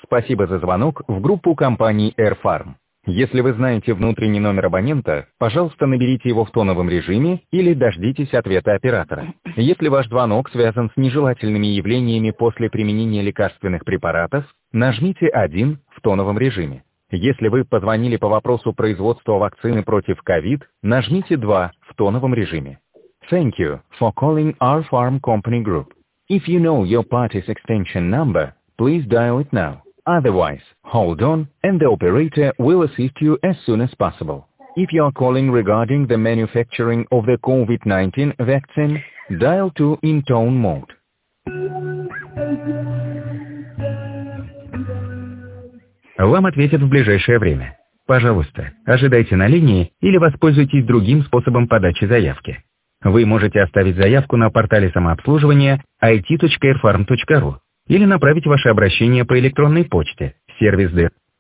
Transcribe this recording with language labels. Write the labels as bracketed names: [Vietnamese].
[Russian] Спасибо за звонок в группу компании AirFarm. Если вы знаете внутренний номер абонента, пожалуйста, наберите его в тоновом режиме или дождитесь ответа оператора. Если ваш звонок связан с нежелательными явлениями после применения лекарственных препаратов, нажмите 1 в тоновом режиме. Если вы позвонили по вопросу производства вакцины против COVID, нажмите 2 в тоновом режиме. [English] Thank you for calling our farm company group. If you know your party's extension number, please dial it now. Otherwise, hold on, and the operator will assist you as soon as possible. If you are calling regarding the manufacturing of the COVID-19 vaccine, dial 2 in tone mode. [Russian] Вам ответят в ближайшее время. Пожалуйста, ожидайте на линии или воспользуйтесь другим способом подачи заявки. Вы можете оставить заявку на портале самообслуживания it.airfarm.ru или направить ваше обращение по электронной почте в сервис ДЭР.